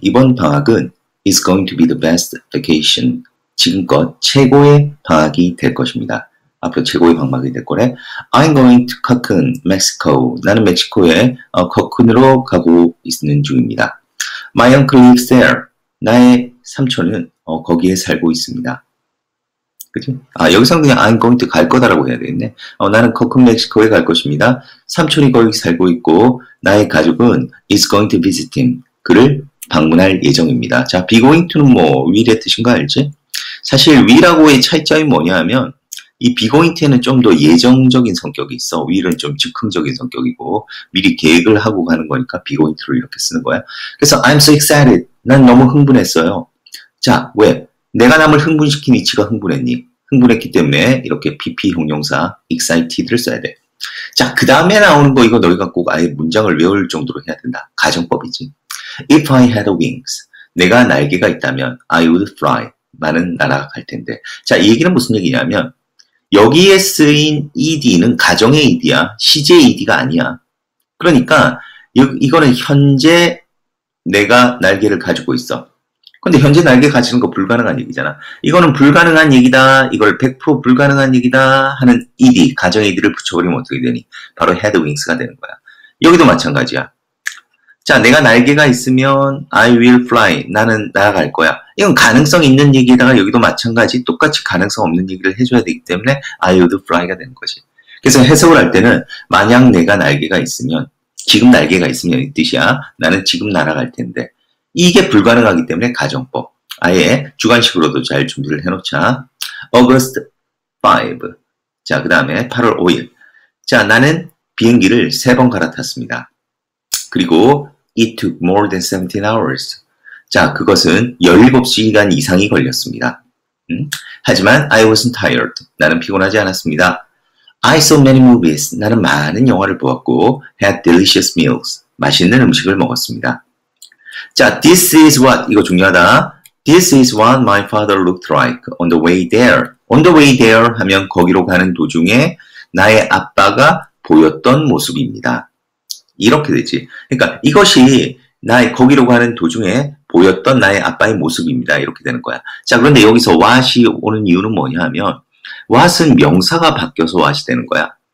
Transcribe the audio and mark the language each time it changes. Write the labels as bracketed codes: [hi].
[ko] 이번 방학은 [en] is going to be the best vacation. [ko] 지금껏 최고의 방학이 될 것입니다. 앞으로 최고의 방학이 될 거래. [en] I'm going to Cancun, Mexico. [ko] 나는 멕시코에 커큰으로 가고 있는 중입니다. [en] My uncle lives there. [ko] 나의 삼촌은 거기에 살고 있습니다. 그죠? 아, 여기서 그냥 [en] I'm going to [ko] 갈 거다라고 해야 되겠네. 나는 커큰 멕시코에 갈 것입니다. 삼촌이 거기 살고 있고 나의 가족은 [en] is going to visit him. [ko] 그를 방문할 예정입니다. 자, be going to는 뭐 will의 뜻인 거 알지? 사실 will하고의 차이점이 뭐냐면 이 be going to에는 좀더 예정적인 성격이 있어. will은 좀 즉흥적인 성격이고 미리 계획을 하고 가는 거니까 be going to를 이렇게 쓰는 거야. 그래서 [en] I'm so excited. [ko] 난 너무 흥분했어요. 자, 왜? 내가 남을 흥분시킨 위치가 흥분했니? 흥분했기 때문에 이렇게 PP 형용사 excited를 써야 돼. 자, 그 다음에 나오는 거 이거 너희가 꼭 아예 문장을 외울 정도로 해야 된다. 가정법이지. [en] If I had wings, [ko] 내가 날개가 있다면 [en] I would fly. [ko] 나는 날아갈 텐데. 자, 이 얘기는 무슨 얘기냐면 여기에 쓰인 ED는 가정의 ED야. 시제 ED가 아니야. 그러니까 이거는 현재 내가 날개를 가지고 있어. 근데 현재 날개 가지는 거 불가능한 얘기잖아. 이거는 불가능한 얘기다. 이걸 100% 불가능한 얘기다 하는 ED, 가정 ED를 붙여버리면 어떻게 되니? 바로 had wings가 되는 거야. 여기도 마찬가지야. 자, 내가 날개가 있으면 [en] I will fly. [ko] 나는 날아갈 거야. 이건 가능성 있는 얘기에다가 여기도 마찬가지. 똑같이 가능성 없는 얘기를 해줘야 되기 때문에 [en] I would fly [ko] 가 되는 거지. 그래서 해석을 할 때는 만약 내가 날개가 있으면 지금 날개가 있으면 이 뜻이야. 나는 지금 날아갈 텐데. 이게 불가능하기 때문에 가정법. 아예 주관식으로도 잘 준비를 해놓자. [en] August 5. [ko] 자, 그 다음에 8월 5일. 자, 나는 비행기를 세번 갈아탔습니다. 그리고 [en] it took more than 17 hours. [ko] 자, 그것은 17시간 이상이 걸렸습니다. 하지만 [en] I wasn't tired. [ko] 나는 피곤하지 않았습니다. [en] I saw many movies. [ko] 나는 많은 영화를 보았고, [en] had delicious meals. [ko] 맛있는 음식을 먹었습니다. 자, [en] this is what, [ko] 이거 중요하다. [en] This is what my father looked like on the way there. On the way there [ko] 하면 거기로 가는 도중에 나의 아빠가 보였던 모습입니다. 이렇게 되지. 그러니까 이것이 나의 거기로 가는 도중에 보였던 나의 아빠의 모습입니다. 이렇게 되는 거야. 자, 그런데 여기서 what이 오는 이유는 뭐냐면, what은 명사가 바뀌어서 what이 되는 거야.